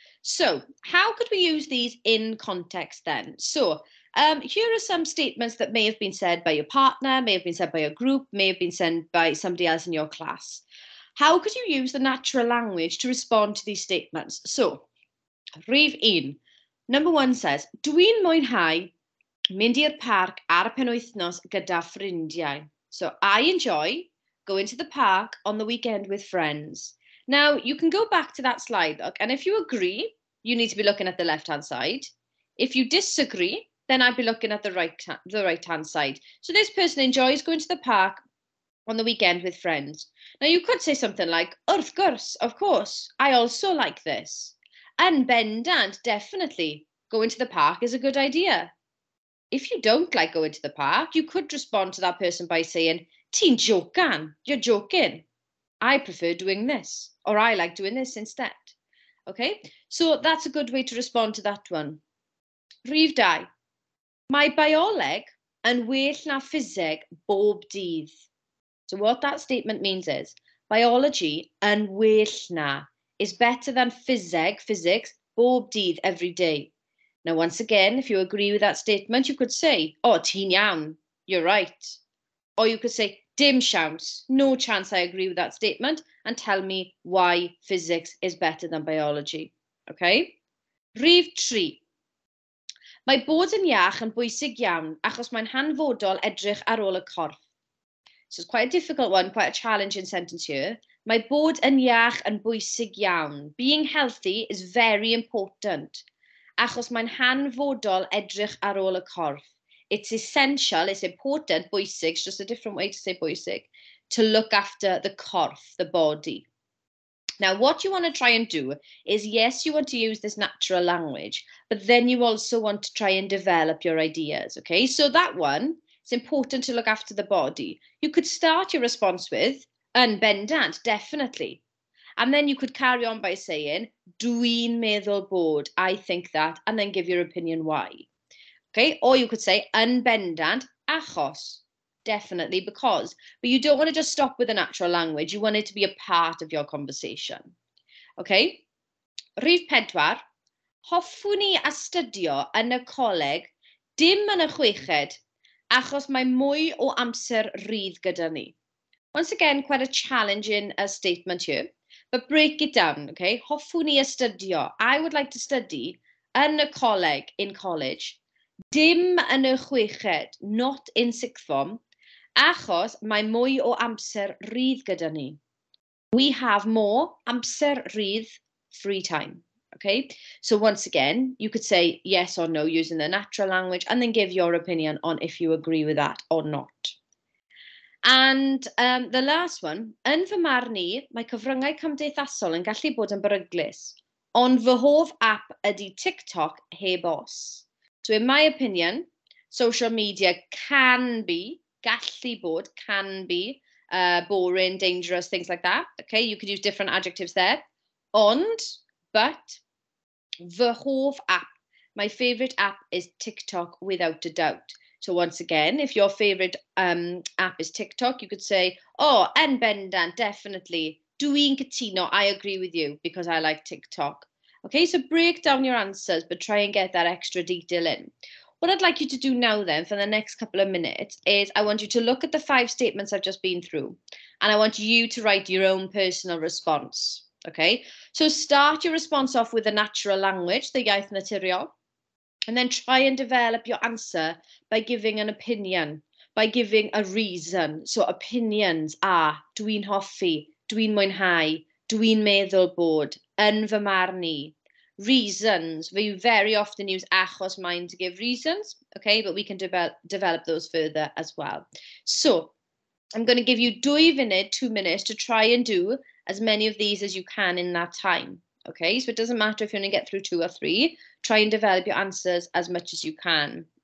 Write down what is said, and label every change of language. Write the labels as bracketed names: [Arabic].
[English] So, how could we use these in context then? So, here are some statements that may have been said by your partner, may have been said by your group, may have been said by somebody else in your class. How could you use the natural language to respond to these statements? [Welsh] So, rhif un. [English] Number one says, [Welsh] dwi'n mwynhau mynd i'r parc ar y penwythnos gyda ffrindiau. [English] So, I enjoy going to the park on the weekend with friends. Now, you can go back to that slide, look, and if you agree, you need to be looking at the left-hand side. If you disagree, then I'd be looking at the right-hand side. So this person enjoys going to the park on the weekend with friends. Now, you could say something like, [Welsh] wrth gwrs, [English] of course, I also like this. And [Welsh] bendant, [English] definitely, going to the park is a good idea. If you don't like going to the park, you could respond to that person by saying, [Welsh] ti'n jocan, [English] you're joking. I prefer doing this, or I like doing this instead. Okay, so that's a good way to respond to that one. [Welsh] Rhif dau. Mae bioleg yn well na physeg bob dydd. [English] So what that statement means is, biology [Welsh] yn well na [English] is better than physics, [Welsh] bob dydd, [English] every day. Now, once again, if you agree with that statement, you could say, oh, [Welsh] ti'n iawn, [English] you're right. Or you could say, dim chance, no chance I agree with that statement, and tell me why physics is better than biology. [Welsh] Okay? Rhif tri. Mae bod yn iach yn bwysig iawn achos mae'n hanfodol edrych ar ôl y corff. [English] So it's quite a difficult one, quite a challenging sentence here. [Welsh] Mae bod yn iach yn bwysig iawn. [English] Being healthy is very important [Welsh] achos mae'n hanfodol edrych ar ôl y corff. [English] It's essential, it's important, bwysig, it's just a different way to say bwysig, to look after the corff, the body. Now, what you want to try and do is, yes, you want to use this natural language, but then you also want to try and develop your ideas, okay? So that one, it's important to look after the body. You could start your response with, [Welsh] yn bendant, [English] definitely. And then you could carry on by saying, [Welsh] dwi'n meddwl bod, [English] I think that, and then give your opinion why. Okay, or you could say, [Welsh] yn bendant, achos, [English] definitely, because. But you don't want to just stop with the natural language. You want it to be a part of your conversation. [Welsh] Okay, rhif pedwar. Hoffwn i astudio yn y coleg dim yn y chweched, achos mae mwy o amser rydd gyda ni. [English] Once again, quite a challenging statement here. But break it down, okay? [Welsh] Hoffwn ni astudio. [English] I would like to study [Welsh] yn y coleg, [English] in college. [Welsh] Dim yn y chweched, [English] not in sixth form. [Welsh] Achos mae mwy o amser rydd gyda ni. [English] We have more [Welsh] amser rydd [English] free time. Okay, so once again, you could say yes or no using the natural language and then give your opinion on if you agree with that or not. And the last one, [Welsh] yn fy marn i, mae cyfryngau cymdeithasol yn gallu bod yn beryglus. Ond fy hoff app ydy TikTok heb os. [English] So in my opinion, social media can be, gallu bod, can be, boring, dangerous, things like that. Okay, you could use different adjectives there. Ond, but, [Welsh] fy hoff app, [English] my favourite app is TikTok without a doubt. So once again, if your favourite app is TikTok, you could say, oh, [Welsh] en bendant, [English] definitely. [Welsh] Dwi'n cytuno, [English] I agree with you, because I like TikTok. Okay, so break down your answers, but try and get that extra detail in. What I'd like you to do now then, for the next couple of minutes, is I want you to look at the five statements I've just been through, and I want you to write your own personal response. Okay, so start your response off with the natural language, the [Welsh] iaith naturiol, [English] and then try and develop your answer by giving an opinion, by giving a reason. So opinions are [Welsh] dwi'n hoffi, dwi'n mwynhau, dwi'n meddwl bod, yn fy marn i. [English] Reasons, we very often use achos mine to give reasons, okay, but we can develop those further as well. So I'm going to give you 2 minutes to try and do as many of these as you can in that time. Okay, so it doesn't matter if you only get through 2 or 3, try and develop your answers as much as you can.